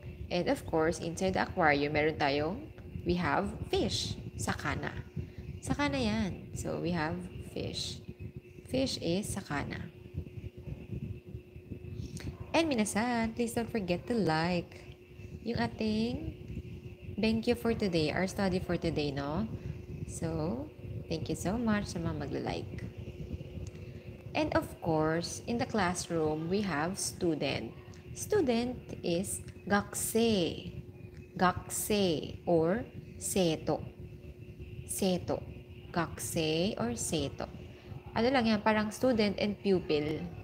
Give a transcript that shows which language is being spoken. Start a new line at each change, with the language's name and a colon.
English: And of course, inside the aquarium, meron tayong, we have fish, sakana.
Filipino: Sakana yan.
English: So, we have fish. Fish is sakana. And Minasan, please don't forget to like
Filipino: yung ating
English: thank you for today, our study for today, no? So, thank you so much
Filipino: sa mga magla-like.
English: And of course, in the classroom, we have student. Student is gakse. Gakse or seto. Seto.
Filipino: Gakse or seto. Ano lang yan, parang
English: student and pupil.